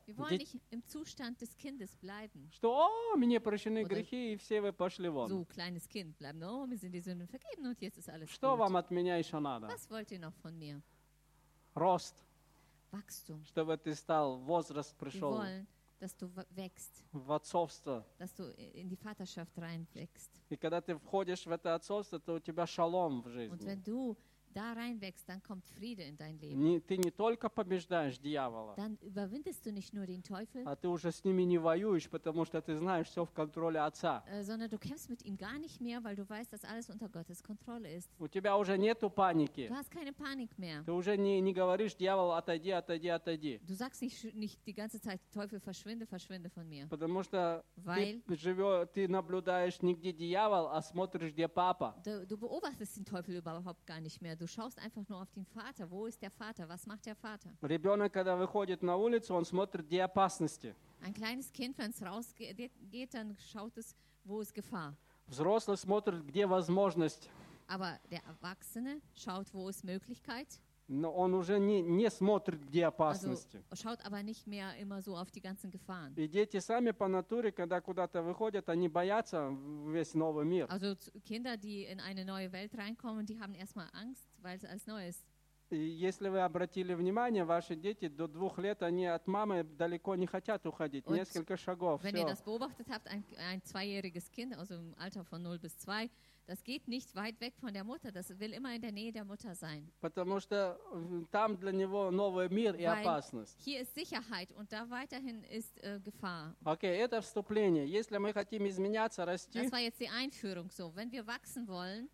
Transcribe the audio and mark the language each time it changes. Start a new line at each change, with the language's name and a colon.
German: Wir wollen nicht im Zustand des Kindes bleiben.
Russian: Что, о, мне прощены
German: Oder
Russian: грехи, и все вы пошли вон.
German: So, kleines Kind, bleib, no, mir sind die Sünden vergeben, und jetzt ist alles
Russian: Что
German: gut.
Russian: Вам от меня еще надо?
German: Was wollt ihr noch von mir?
Russian: Рост.
German: Wachstum.
Russian: Чтобы ты стал, возраст пришел.
German: Wir wollen, dass du wächst.
Russian: В отцовство.
German: Dass du in die Vaterschaft reinwächst.
Russian: И когда ты входишь в это отцовство, то у тебя шалом в жизни.
German: Und wenn du da reinwächst, dann kommt Friede in dein Leben.
Russian: Ты не только побеждаешь дьявола,
German: dann überwindest du nicht nur den Teufel,
Russian: а ты уже с ними не воюешь, потому что ты знаешь, все в контроле отца.
German: Sondern du kämpfst mit ihm gar nicht mehr, weil du weißt, dass alles unter Gottes Kontrolle ist.
Russian: У тебя уже нету паники.
German: Du hast keine Panik mehr.
Russian: Ты уже не говоришь, дьявол, отойди, отойди, отойди.
German: Du sagst nicht die ganze Zeit, Teufel, verschwinde, verschwinde von mir.
Russian: Потому что ты наблюдаешь не где дьявол, а смотришь, где папа.
German: Du beobachtest den Teufel überhaupt gar nicht mehr. Du schaust einfach nur auf den Vater. Wo ist der Vater? Was macht der Vater?
Russian: Ребенок, когда выходит на улицу, он смотрит, где опасности.
German: Ein kleines Kind, wenn es rausgeht, dann schaut es, wo ist Gefahr.
Russian: Взрослый смотрит, где возможность.
German: Aber der Erwachsene schaut, wo ist Möglichkeit.
Russian: Но он уже не смотрит, где опасности.
German: Also, schaut aber nicht mehr immer so auf die ganzen Gefahren.
Russian: И дети сами по натуре, когда куда-то выходят, они боятся весь новый мир.
German: Also, Kinder, die in eine neue Welt reinkommen, die haben erstmal Angst, weil es alles neu ist.
Russian: Если вы обратили внимание, ваши дети до 2 лет, они от мамы далеко не хотят уходить,
German: und
Russian: несколько шагов.
German: Wenn ihr das beobachtet habt, ein zweijähriges Kind, also im Alter von 0 bis 2, das geht nicht weit weg von der Mutter, das will immer in der Nähe der Mutter sein.
Russian: Потому что там для него новый мир и опасность.
German: Hier ist Sicherheit und da weiterhin ist Gefahr.
Russian: Okay, это вступление. Если мы хотим изменяться, расти,
German: das war jetzt die Einführung so. Wenn wir wachsen wollen,